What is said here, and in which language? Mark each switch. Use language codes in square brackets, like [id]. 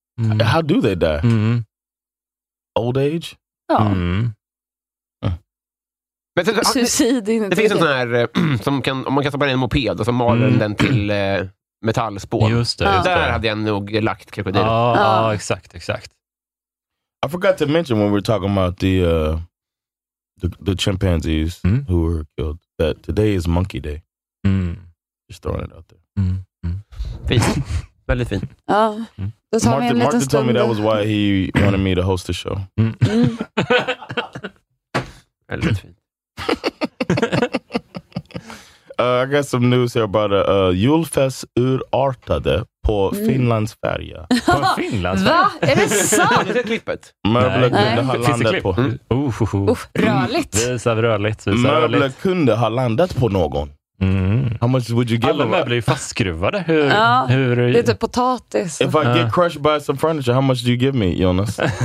[en] Mm. How do they die? Mm. Old age? [sv] Ja. Mm. Men sen, det finns en sån här som kan, om man kan stoppa in en moped och så maler den till metallspår. Just det. Där hade jag nog lagt krokodil. Ja, exakt. [en] I forgot to mention when we were talking about the chimpanzees who were killed, that today is monkey day. Mm. Just throwing it out there. [sv] Fint. Väldigt fint. Ja. [en] Martin told me that was why he wanted me to host the show. [sv] Väldigt fint. [en] I got some news here about a [sv] julfest urartade på Finlands färja. På Finlands färja? Va? Är det sant? Har ni sett klippet? Möbler kunde ha landat på. Rörligt. Rörligt. Möbler kunde ha landat på någon. [en] How much would you give? [sv] Alla möbler är fastskruvade. Hur, hur är det? Lite potatis. [en] If I get crushed by some furniture, how much do you give me, Jonas?